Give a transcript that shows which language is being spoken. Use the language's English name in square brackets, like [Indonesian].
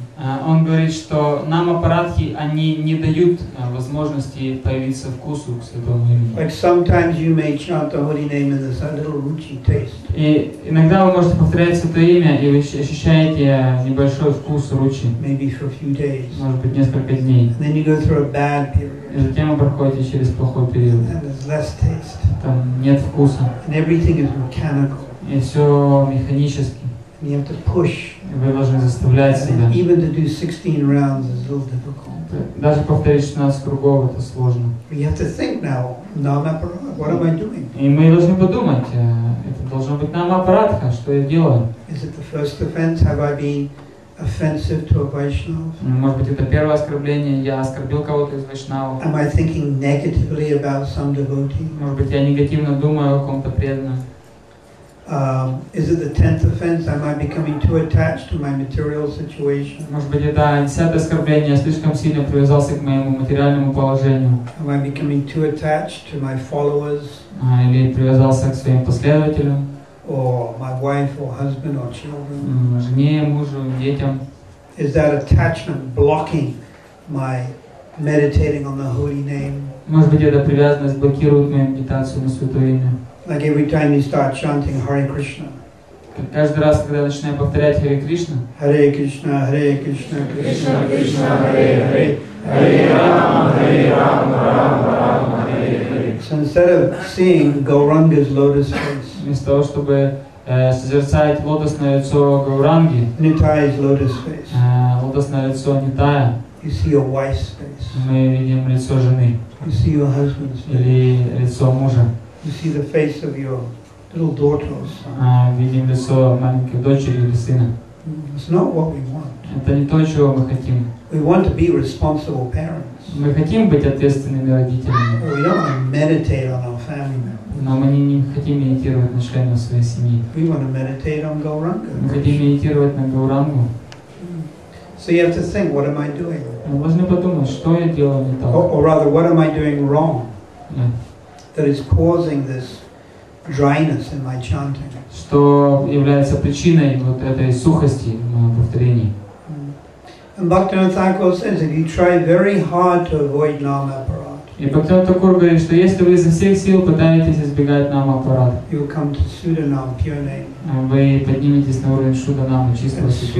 [Russian] Он говорит, что нама парадхи они не дают возможности появиться вкусу к святому имени. [English] Like sometimes you may chant the holy name and there's a little ruchi taste. [Russian] И иногда вы можете повторять это имя и вы ощущаете небольшой вкус ручи. [English] Maybe for a few days. [Russian] Может быть несколько дней. [English] And then you go through a bad period. [Russian] И затем вы проходите через плохой период. [English] And there's less taste. [Russian] Там нет вкуса. [English] And everything is mechanical. [Russian] И все механически. [English] And you have to push. [Russian] Вы должны заставлять себя. [English] And even to do 16 rounds is a little difficult. [Russian] Даже повторить 16 кругов это сложно. [English] You have to think now. Nama aparad. What am I doing? [Russian] И мы должны подумать. Это должно быть нама аппаратха. Что я делаю? [English] Is it the first offense? Have I been offensive to a Vaishnava? [Russian] Может быть, это первое оскорбление. Я оскорбил кого-то из Вайшнава. [English] Am I thinking negatively about some devotee? [Russian] Может быть, я негативно думаю о ком-то преданном. [English] Is it the 10th offense? Am I becoming too attached to my material situation? [Russian] Может быть, это 10-е оскорбление, я слишком сильно привязался к моему материальному положению. [English] Am I becoming too attached to my followers? [Russian] Или привязался к своим последователям? [English] Or my wife, or husband, or children? [Russian] Жене, мужу, детям. [English] Is that attachment blocking my meditating on the holy name? [Russian] Может быть, эта привязанность блокирует мою медитацию на святое имя? [English] Like every time you start chanting Hare Krishna. [Russian] Каждый раз, когда начинаю повторять Харе Кришна. [Sanskrit] Hare Krishna, Hare Krishna, Krishna Krishna, Hare Hare, Hare Rama, Hare Rama, Rama Rama, Hare Hare. [English] So instead of seeing Gauranga's lotus face. [Russian] Вместо того, чтобы созерцать лотосное лицо Гауранги. [English] Нитая's lotus face. [Russian] Лотосное лицо Нитая. [English] You see your wife's face. [Russian] Мы видим лицо жены. [English] You see your husband's face. [Russian] Или лицо мужа. [English] You see the face of your little daughter or son. [Russian] Видим лицо маленькой дочери или сына. [English] It's not what we want. [Russian] Это не то, чего мы хотим. [English] We want to be responsible parents. [Russian] Мы хотим быть ответственными родителями. [English] But we don't want to meditate on our family members. [Russian] Но мы не хотим медитировать на члена своей семьи. [English] We want to meditate on Gauranga. [Russian] Мы хотим медитировать на Гаурангу. [English] So you have to think, what am I doing? [Russian] Мы должны подумать, что я делаю не так. [English] Or rather, what am I doing wrong? That is causing this dryness in my chanting. [Russian] Что является причиной вот этой сухости в моем повторении? [English] And Bhaktivinoda Thakur says, if you try very hard to avoid nama aparada. [Russian] И Бхактивинода Тхакур говорит, что если вы изо всех сил пытаетесь избегать нам аппарат, вы подниметесь на уровень Шуданамы, чистого